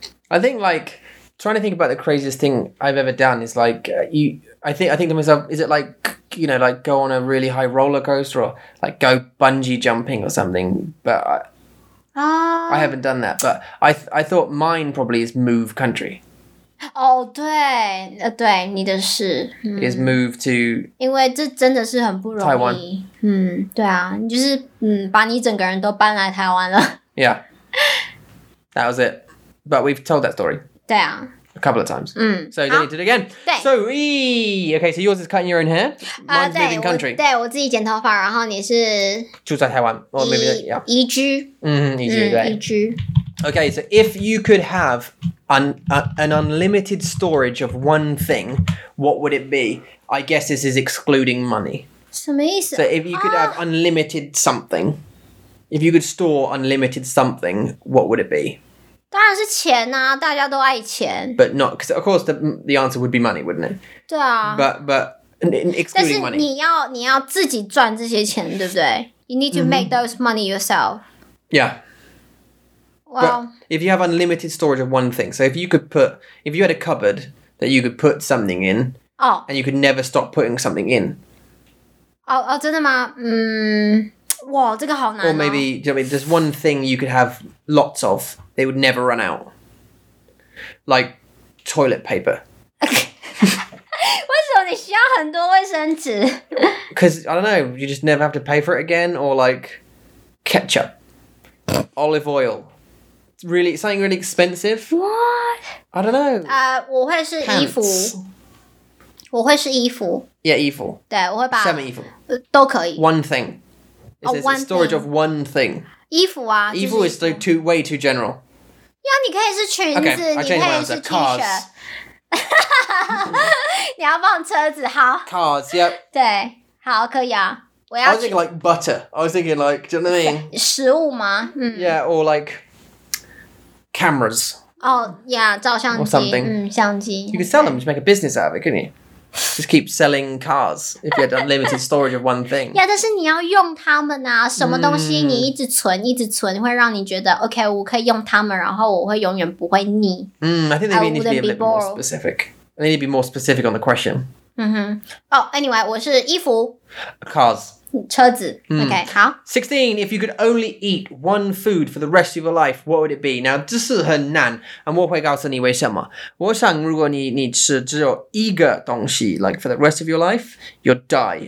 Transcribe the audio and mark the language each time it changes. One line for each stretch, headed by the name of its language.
English: I think like trying to think about the craziest thing I've ever done is like you. I think to myself, is it like, you know, like go on a really high roller coaster or like go bungee jumping or something? But I haven't done that. But I thought mine probably is move country.
Chinese: Oh, 对, 对你的是、嗯、
English: Is move to
Chinese: 因为这真的是很不容易
English: Taiwan.
Chinese: 嗯，对啊，你就是把你整个人都搬来台湾了。
English: Yeah. That was it. But we've told that story.
Chinese: 对啊。
English: A couple of times.、嗯、 so you don't need to do it again. So, okay, so yours is cutting your own hair. Mine's moving country.
Chinese: 对我自己剪头发，然后你是住在台湾
English: or maybe, yeah.
Chinese: 移居。移居，对。移居。
English: Okay, so if you could have an unlimited storage of one thing, what would it be? I guess this is excluding money.
Chinese: 什么意思？
English: So if you could have unlimited something, if you could store unlimited something, what would it be?
Chinese: 当然是钱啊，大家都爱钱。
English: But not, because of course the answer would be money, wouldn't it?
Chinese: 对啊。
English: But excluding money.
Chinese: 但是你要自己赚这些钱，对不对？
English: You need to make those money yourself. Yeah. Well, but if you have unlimited storage of one thing, so if you could put, if you had a cupboard that you could put something in, oh, and you could never stop putting something in.
Chinese: 哦，真的吗？哇，这个好难哦。
English: Or maybe, do you know what I mean, just one thing you could have lots of. They would never run out. Like toilet paper.
Chinese: 为什么你需要很多卫生纸?
English: Because, I don't know, you just never have to pay for it again. Or like ketchup. Olive oil. Really, something really expensive. What? I don't know.
Chinese: 我会是衣服。我会是衣服。
English: Yeah,
Chinese: 衣服。对，我会把。什么衣服? 都可以。
English: One thing. It's the storage of one thing.
Chinese: 衣服啊，衣服、就是、
English: is too way too general. Yeah,
Chinese: 你可以是裙子，
English: okay,
Chinese: 你可以是 T-shirt. 你要放车子，好。
English: Cars, yep.
Chinese: 对，好，可以啊。我要。
English: I was thinking like butter. I was thinking like, do you know what I mean?
Chinese: 食物吗？嗯。
English: Yeah, or like cameras. Oh yeah,
Chinese: 照相机。
English: Or something.
Chinese: 相机。
English: You could sell them to make a business out of it, couldn't you? Just keep selling cars if you had unlimited storage of one thing. Yeah,
Chinese: 但是你要用它们啊，什么东西你一直存，一直存，会让你觉得 OK， 我可以用它们，然后我会永远不会腻。
English: I think they need to be a bit more specific. They need to be more specific on the question. Mm-hmm. Oh, anyway,
Chinese: 我是衣服。
English: Cars.
Chinese: 车子。OK, 好。
English: 16, if you could only eat one food for the rest of your life, what would it be? Now,
Chinese: 这是很难。
English: And
Chinese: 我会告诉你为什么。我想如果你吃只有一个东西
English: like for the rest of your life, you'll die.